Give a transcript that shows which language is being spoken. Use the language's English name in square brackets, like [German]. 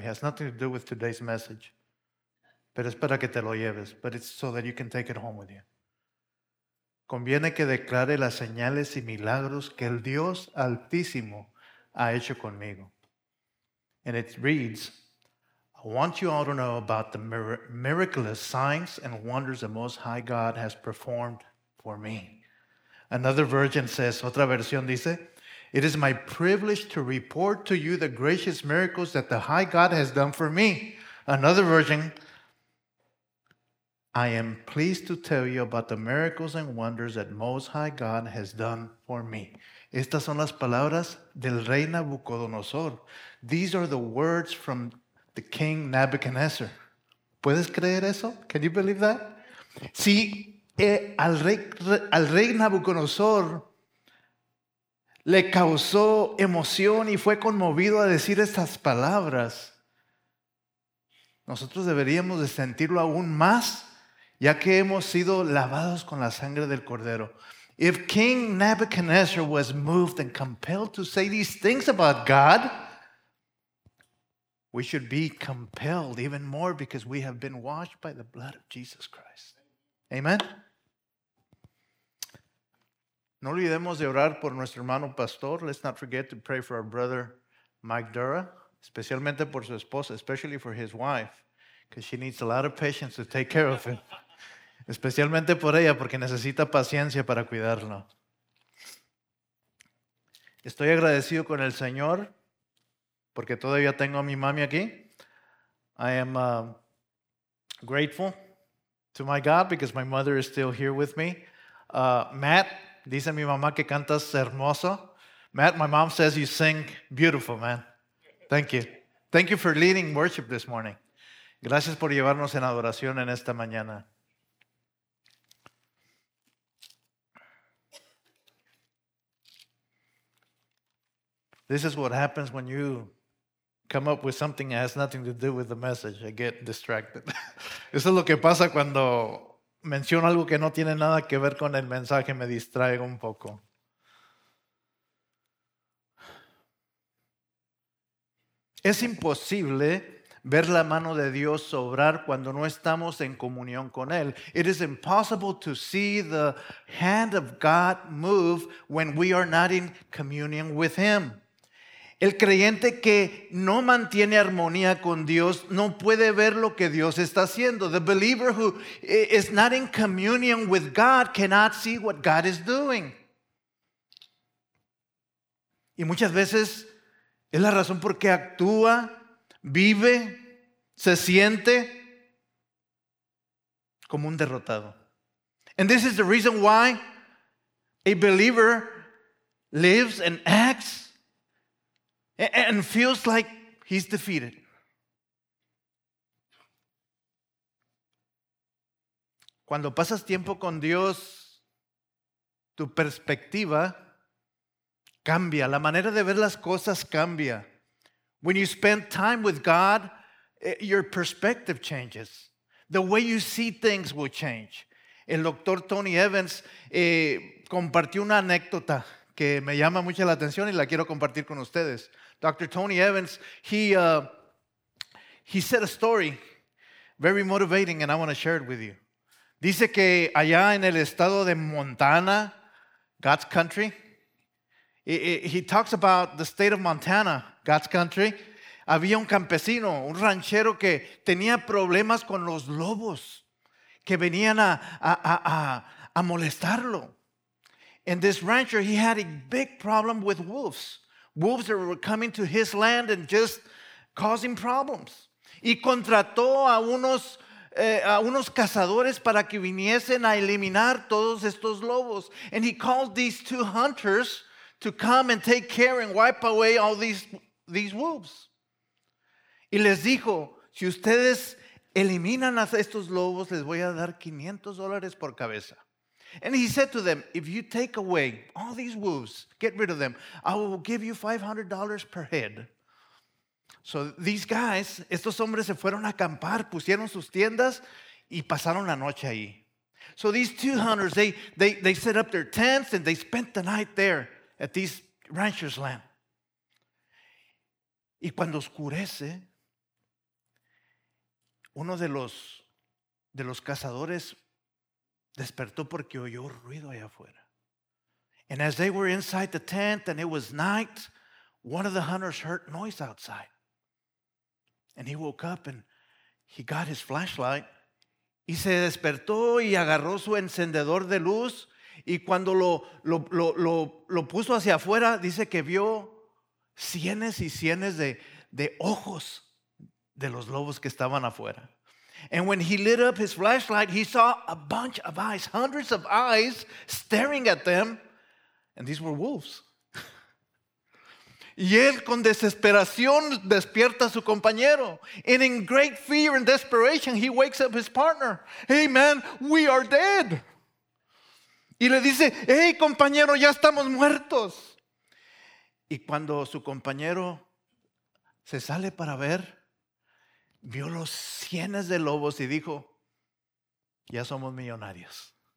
[English] It has nothing to do with today's message. [Spanish] Pero es para que te lo lleves. [English] But it's so that you can take it home with you. [Spanish] Conviene que declare las señales y milagros que el Dios Altísimo ha hecho conmigo. [English] And it reads, I want you all to know about the miraculous signs and wonders the Most High God has performed for me. Another version says, [Spanish] otra versión dice, [English] it is my privilege to report to you the gracious miracles that the High God has done for me. Another version, I am pleased to tell you about the miracles and wonders that Most High God has done for me. [Spanish] Estas son las palabras del rey Nabucodonosor. [English] These are the words from the king Nebuchadnezzar. [Spanish] ¿Puedes creer eso? [English] Can you believe that? [Spanish] Sí, al rey Nabucodonosor le causó emoción y fue conmovido a decir estas palabras. Nosotros deberíamos de sentirlo aún más, ya que hemos sido lavados con la sangre del Cordero. [English] If King Nebuchadnezzar was moved and compelled to say these things about God, we should be compelled even more because we have been washed by the blood of Jesus Christ. Amen. [Spanish] No olvidemos de orar por nuestro hermano pastor. [English] Let's not forget to pray for our brother Mike Dura, [Spanish] especialmente por su esposa, [English] especially for his wife, because she needs a lot of patience to take care of him. [Spanish] Especialmente por ella, porque necesita paciencia para cuidarlo. Estoy agradecido con el Señor, porque todavía tengo a mi mami aquí. [English] I am grateful to my God because my mother is still here with me. [Spanish] Matt, dice mi mamá que cantas hermoso. [English] Matt, my mom says you sing beautiful, man. Thank you. Thank you for leading worship this morning. [Spanish] Gracias por llevarnos en adoración en esta mañana. [English] This is what happens when you come up with something that has nothing to do with the message. I get distracted. [Spanish] Eso es lo que pasa cuando menciono algo que no tiene nada que ver con el mensaje. Me distraigo un poco. Es imposible ver la mano de Dios obrar cuando no estamos en comunión con Él. [English] It is impossible to see the hand of God move when we are not in communion with Him. [Spanish] El creyente que no mantiene armonía con Dios no puede ver lo que Dios está haciendo. [English] The believer who is not in communion with God cannot see what God is doing. [Spanish] Y muchas veces es la razón por qué actúa, vive, se siente como un derrotado. [English] And this is the reason why a believer lives and acts and feels like he's defeated. [Spanish] Cuando pasas tiempo con Dios, tu perspectiva cambia. La manera de ver las cosas cambia. [English] When you spend time with God, your perspective changes. The way you see things will change. [Spanish] El doctor Tony Evans compartió una anécdota que me llama mucho la atención y la quiero compartir con ustedes. [English] Dr. Tony Evans, he said a story, very motivating, and I want to share it with you. [Spanish] Dice que allá en el estado de Montana, [English] God's country, he talks about the state of Montana, God's country, [Spanish] había un campesino, un ranchero que tenía problemas con los lobos que venían a molestarlo. [English] And this rancher, he had a big problem with wolves. Wolves that were coming to his land and just causing problems. [Spanish] Y contrató a unos cazadores para que viniesen a eliminar todos estos lobos. [English] And he called these two hunters to come and take care and wipe away all these wolves. [Spanish] Y les dijo, si ustedes eliminan a estos lobos, les voy a dar $500 por cabeza. [English] And he said to them, if you take away all these wolves, get rid of them, I will give you $500 per head. So these guys, [Spanish] estos hombres se fueron a acampar, pusieron sus tiendas y pasaron la noche ahí. [English] So these two hunters, they set up their tents and they spent the night there at these ranchers' land. [Spanish] Y cuando oscurece, uno de los cazadores despertó porque oyó ruido allá afuera. [English] And as they were inside the tent and it was night, one of the hunters heard noise outside. And he woke up and he got his flashlight. [Spanish] Y se despertó y agarró su encendedor de luz. Y cuando lo puso hacia afuera, dice que vio cienes y cienes de ojos de los lobos que estaban afuera. [English] And when he lit up his flashlight, he saw a bunch of eyes, hundreds of eyes staring at them. And these were wolves. [Spanish] Y él con desesperación despierta a su compañero. [English] And in great fear and desperation, he wakes up his partner. Hey, man, we are dead. [Spanish] Y le dice, hey, compañero, ya estamos muertos. Y cuando su compañero se sale para ver, vio los cienes de lobos y dijo, ya somos millonarios.